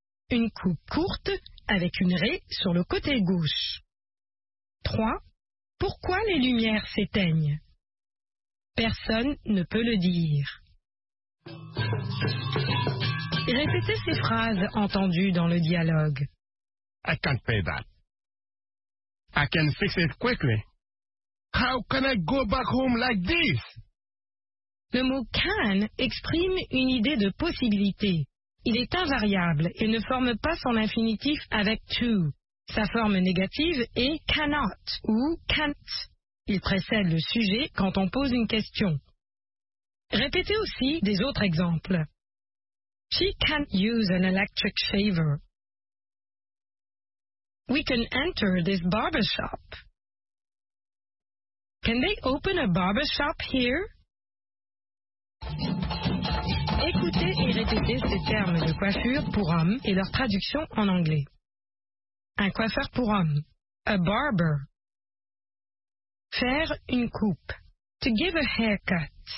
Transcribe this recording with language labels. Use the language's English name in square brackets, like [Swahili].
[French] Une coupe courte avec une raie sur le côté gauche. 3. Pourquoi les lumières s'éteignent? Personne ne peut le dire. Répétez ces phrases entendues dans le dialogue. [English] I can't pay that. I can fix it quickly. How can I go back home like this? [French] Le mot can exprime une idée de possibilité. Il est invariable et ne forme pas son infinitif avec to. Sa forme négative est cannot ou can't. Il précède le sujet quand on pose une question. Répétez aussi des autres exemples. [English] She can't use an electric shaver. We can enter this barbershop. Can they open a barbershop here? [French] Écoutez et répétez ces termes de coiffure pour hommes et leur traduction en anglais. Un coiffeur pour hommes. [English] A barber. [French] Faire une coupe. [English] To give a haircut.